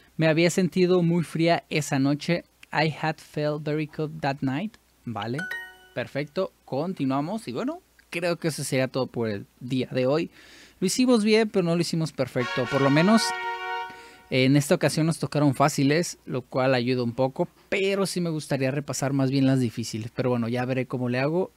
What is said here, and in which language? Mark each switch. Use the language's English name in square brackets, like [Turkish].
[Spanish] Me había sentido muy fría esa noche. [English] I had felt very cold that night. [Spanish] Vale, perfecto. Continuamos y bueno, creo que eso sería todo por el día de hoy. Lo hicimos bien, pero no lo hicimos perfecto. Por lo menos en esta ocasión nos tocaron fáciles, lo cual ayuda un poco. Pero sí me gustaría repasar más bien las difíciles. Pero bueno, ya veré cómo le hago.